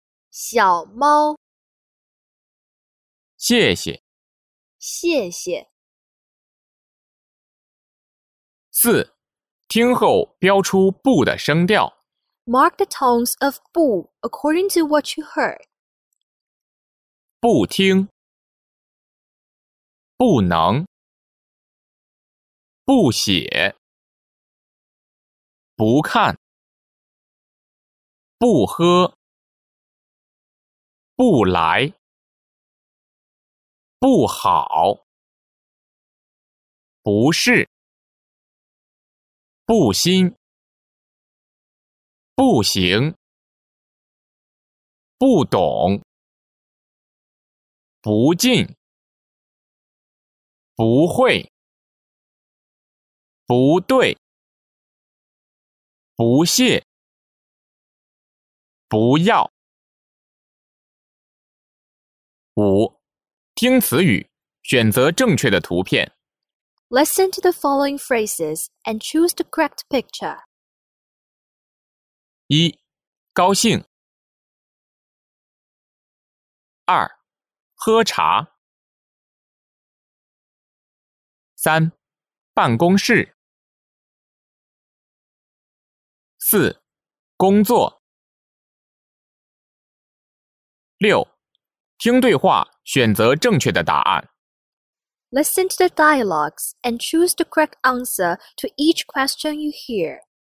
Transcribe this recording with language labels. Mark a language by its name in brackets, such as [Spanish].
[Chinese] 小猫。谢谢，谢谢。四，听后标出不的声调。 [English] Mark the tones of 不 according to what you heard. [Chinese] 不听，不能，不写，不看，不喝，不来，不好，不是，不心，不行，不懂，不进，不会，不对，不屑，不要。五，听词语，选择正确的图片。 [English] Listen to the following phrases and choose the correct picture. [Chinese] 一，高兴。二，喝茶。三，办公室。四，工作。六，听对话，选择正确的答案。 [English] Listen to the dialogues and choose the correct answer to each question you hear.